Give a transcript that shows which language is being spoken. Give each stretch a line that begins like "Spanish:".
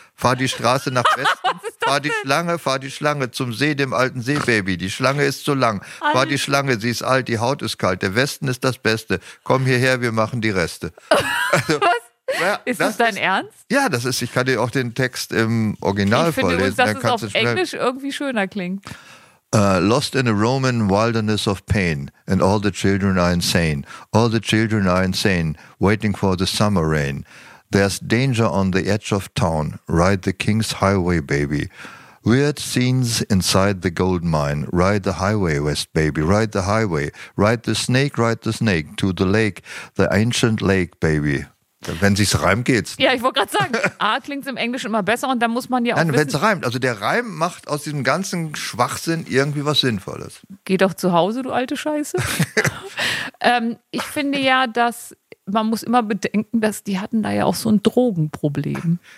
German: Fahr die Straße nach Westen. Fahr die Schlange zum See, dem alten See, Baby. Die Schlange ist zu lang. Fahr die Schlange, sie ist alt, die Haut ist kalt. Der Westen ist das Beste. Komm hierher, wir machen die Reste. Was? Ja, ist das dein Ernst? Ja, das ist. Ich kann dir auch den Text im Original vorlesen. Ich finde, dass es auf Englisch irgendwie schöner klingt.
English: Lost in a Roman wilderness of pain, and all the children are insane. All the children are insane, waiting for the summer rain. There's danger on the edge of town. Ride the king's highway, baby. Weird scenes inside the gold mine. Ride the highway, West baby. Ride the highway. Ride the snake to the lake, the ancient lake, baby.
German: Wenn sich's reimt, geht's. Ja, ich wollte gerade sagen, A klingt's im Englischen immer besser und dann muss man ja auch. Nein, wenn's reimt. Also der Reim macht aus diesem ganzen Schwachsinn irgendwie was Sinnvolles. Geh doch zu Hause, du alte Scheiße. ich finde ja, dass man muss immer bedenken, dass die hatten da ja auch so ein Drogenproblem.